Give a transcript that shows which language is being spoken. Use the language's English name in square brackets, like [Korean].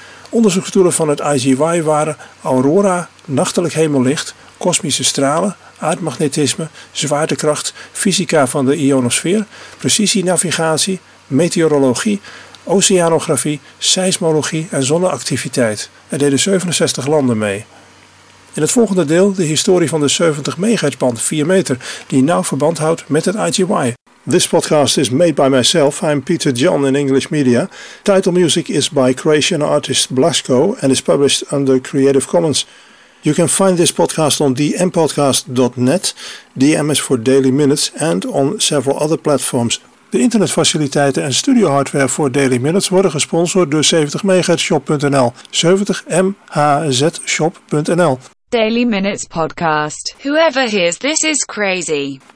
[Dutch] Onderzoeksdoelen van het IGY waren aurora, nachtelijk hemellicht, kosmische stralen, aardmagnetisme, zwaartekracht, fysica van de ionosfeer, precisienavigatie, meteorologie, oceanografie, seismologie en zonneactiviteit. Er deden 67 landen mee. In het volgende deel de historie van de 70 MHz band 4 meter die nauw verband houdt met het IGY. [English] This podcast is made by myself. I'm Peter John in English Media. Title music is by Croatian artist Blasco and is published under Creative Commons. You can find this podcast on dmpodcast.net, DM is for Daily Minutes, and on several other platforms. [Dutch] De internetfaciliteiten en studio hardware voor Daily Minutes worden gesponsord door 70MHzShop.nl, 70MHzShop.nl. [English] Daily Minutes Podcast. Whoever hears this is crazy.